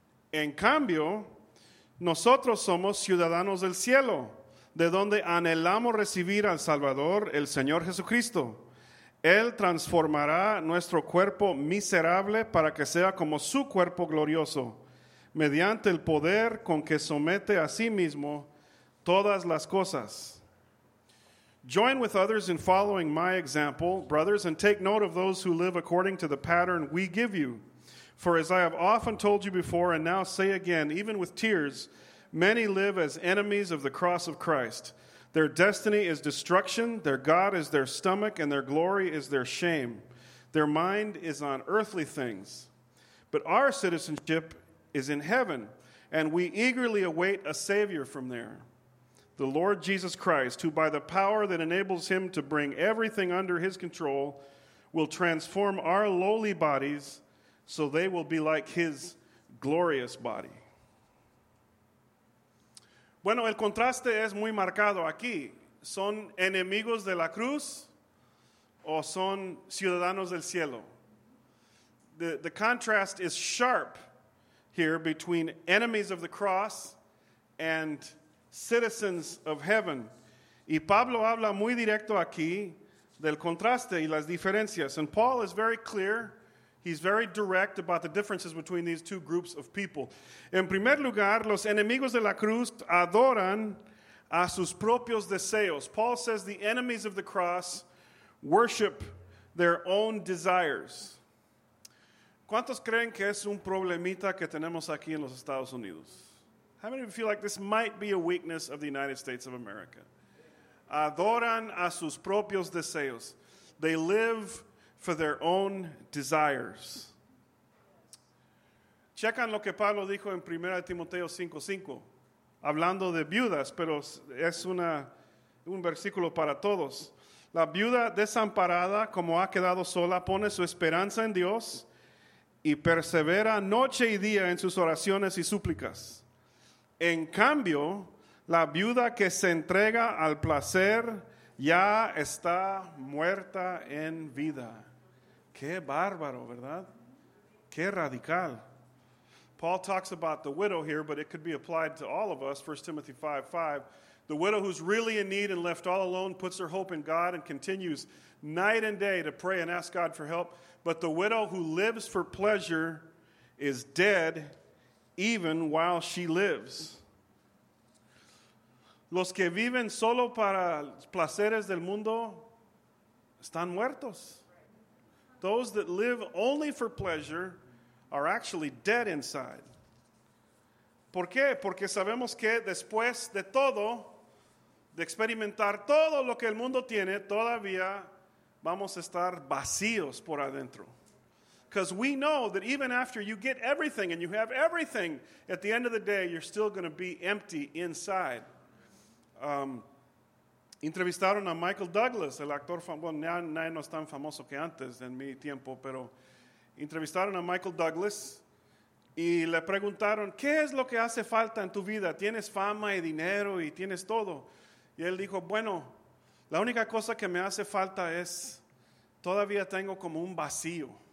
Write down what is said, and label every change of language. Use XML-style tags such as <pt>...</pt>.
<es>En cambio, nosotros somos ciudadanos del cielo, de donde anhelamos recibir al Salvador, el Señor Jesucristo. Él transformará nuestro cuerpo miserable para que sea como su cuerpo glorioso, mediante el poder con que somete a sí mismo todas las cosas.</es> <en>Join with others in following my example, brothers, and take note of those who live according to the pattern we give you. For as I have often told you before and now say again, even with tears, many live as enemies of the cross of Christ. Their destiny is destruction, their God is their stomach, and their glory is their shame. Their mind is on earthly things. But our citizenship is in heaven, and we eagerly await a Savior from there, the Lord Jesus Christ, who by the power that enables him to bring everything under his control will transform our lowly bodies so they will be like his glorious body.</en> <es>Bueno, el contraste es muy marcado aquí. ¿Son enemigos de la cruz o son ciudadanos del cielo?</es> <en>The contrast is sharp here between enemies of the cross and citizens of heaven.</en> <es>Y Pablo habla muy directo aquí del contraste y las diferencias.</es> <en>And Paul is very clear. He's very direct about the differences between these two groups of people.</en> <es>En primer lugar, los enemigos de la cruz adoran a sus propios deseos.</es> <en>Paul says the enemies of the cross worship their own desires.</en> <es>¿Cuántos creen que es un problemita que tenemos aquí en los Estados Unidos?</es> <en>How many of you feel like this might be a weakness of the United States of America?</en> <es>Adoran a sus propios deseos.</es> <en>They live for their own desires.</en> <es>Checan lo que Pablo dijo en 1 Timoteo 5:5, hablando de viudas, pero es un versículo para todos. La viuda desamparada, como ha quedado sola, pone su esperanza en Dios y persevera noche y día en sus oraciones y súplicas. En cambio, la viuda que se entrega al placer ya está muerta en vida. Qué bárbaro, ¿verdad? Qué radical.</es> <en>Paul talks about the widow here, but it could be applied to all of us. 1 Timothy 5:5. The widow who's really in need and left all alone puts her hope in God and continues night and day to pray and ask God for help. But the widow who lives for pleasure is dead even while she lives.</en> <es>Los que viven solo para placeres del mundo están muertos.</es> <en>Those that live only for pleasure are actually dead inside.</en> <es>¿Por qué? Porque sabemos que después de todo, de experimentar todo lo que el mundo tiene, todavía vamos a estar vacíos por adentro.</es> <en>Because we know that even after you get everything and you have everything, at the end of the day, you're still going to be empty inside.</en> <es>Entrevistaron a Michael Douglas, el actor, bueno, ya no es tan famoso que antes en mi tiempo, pero entrevistaron a Michael Douglas y le preguntaron, ¿qué es lo que hace falta en tu vida? ¿Tienes fama y dinero y tienes todo? Y él dijo, bueno, la única cosa que me hace falta es, todavía tengo como un vacío.</es>